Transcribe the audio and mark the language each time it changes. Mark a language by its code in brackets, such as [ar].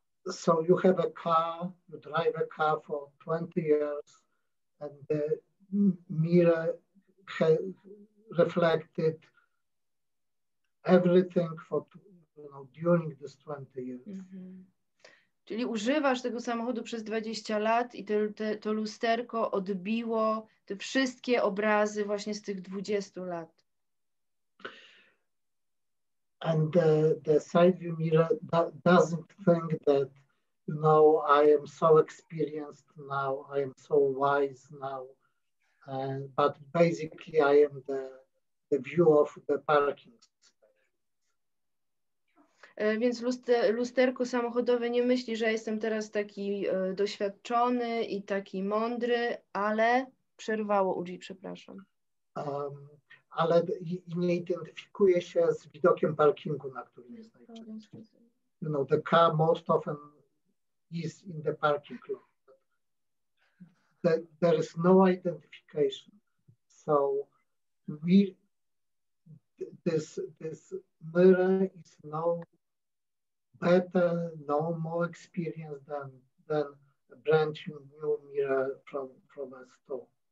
[en] So you have a car, you drive a car for 20 years. And the mirror reflected everything for during this 20 years. Mm-hmm. [pl] Czyli używasz tego samochodu przez 20 lat i to lusterko odbiło te wszystkie obrazy właśnie z tych 20 lat. [en] And the side view mirror doesn't think that I am so experienced now, I am so wise now, but basically I am the the view of the parking. [pl] Więc lusterko samochodowe nie myśli, że jestem teraz taki doświadczony i taki mądry, ale przerwało Uji, przepraszam. Ale nie identyfikuje się z widokiem parkingu, na którym jest najczęściej. [en] You know, the car most often is in the parking lot. There is no identification. So this mirror is no better, no more experienced than a brand new mirror from a store.